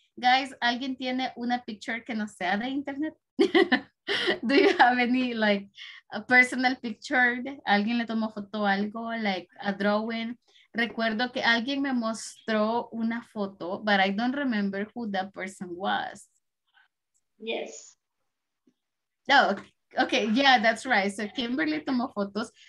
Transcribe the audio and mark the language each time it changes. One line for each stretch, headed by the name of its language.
Spanish: Guys, ¿alguien tiene una picture que no sea de internet?
English: Do you have any, like, a personal picture?
Spanish: ¿Alguien le tomó foto algo,
English: like a drawing?
Spanish: Recuerdo que alguien me mostró una foto,
English: but I don't remember who that person was. Yes. Oh, okay, yeah, that's right. So Kimberly
Spanish: tomó fotos.